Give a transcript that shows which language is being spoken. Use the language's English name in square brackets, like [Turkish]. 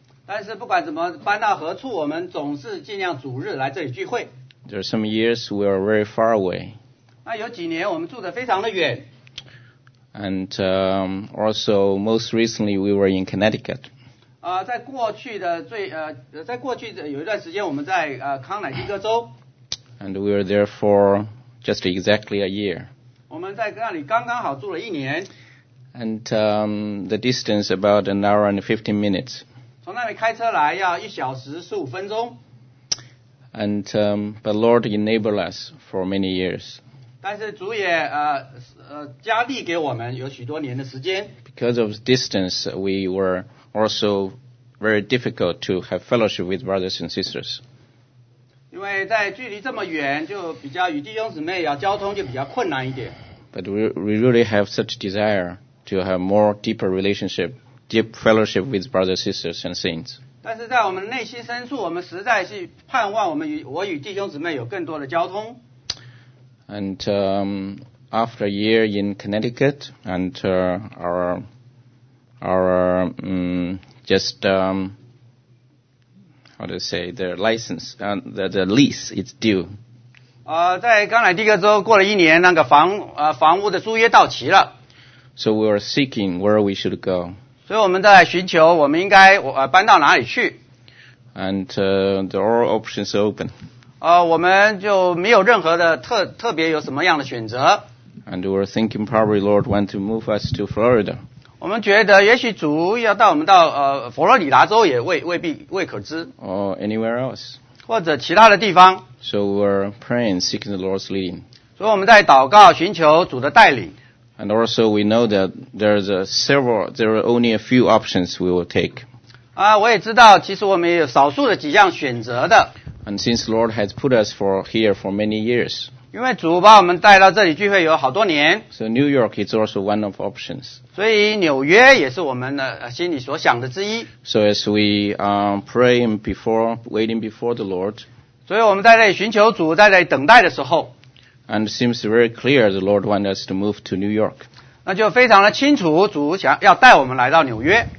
[Chinese] 但是不管怎么搬到何处，我们总是尽量主日来这里聚会。 [English] There are some years we are very far away. [Chinese] 那有几年我们住得非常的远。 [English] And also most recently we were in Connecticut. [Chinese] 在过去的最在过去的有一段时间我们在康乃狄克州。 [English] And we were there for just exactly a year. [Chinese] 我们在那里刚刚好住了一年。 [English] And the distance about an hour and 15 minutes. [Chinese] 从那里开车来要一小时十五分钟。 [English] And but Lord enabled us for many years. [Chinese] 但是主也加力给我们有许多年的时间。 [English] Because of distance, we were also very difficult to have fellowship with brothers and sisters. [Chinese] 因为在距离这么远，就比较与弟兄姊妹要交通就比较困难一点。 [English] But we really have such desire to have more deeper relationship. Deep fellowship with brothers, sisters, and saints. [Chinese] 但是在我们内心深处，我们实在是盼望我与弟兄姊妹有更多的交通。 [English] And after a year in Connecticut, and the lease is due. [Chinese] 在康乃狄克州过了一年，那个房屋的租约到期了。 [English] So we were seeking where we should go. [Chinese] 所以我们在寻求我们应该搬到哪里去。 [English] And the all options are open. [Chinese] 我们就没有任何的特别有什么样的选择。 [English] And we're thinking probably Lord want to move us to Florida. [Chinese] 我们觉得也许主要带我们到佛罗里达州也未可知。 [English] Or anywhere else. [Chinese] 或者其他的地方。 [English] So we're praying, seeking the Lord's leading. [Chinese] 所以我们在祷告寻求主的带领。 [English] And also we know that there are only a few options we will take. [Chinese] 我也知道其实我们也有少数的几项选择的。 [English] And since Lord has put us here for many years. [Chinese] 因为主把我们带到这里聚会有好多年。 [English] So New York is also one of options. [Chinese] 所以纽约也是我们的心里所想的之一。 [English] So as we pray waiting before the Lord. [Chinese] 所以我们在这里寻求主在这里等待的时候。 [English] And it seems very clear the Lord wants us to move to New York. [Chinese] 那就非常的清楚，主想要带我们来到纽约。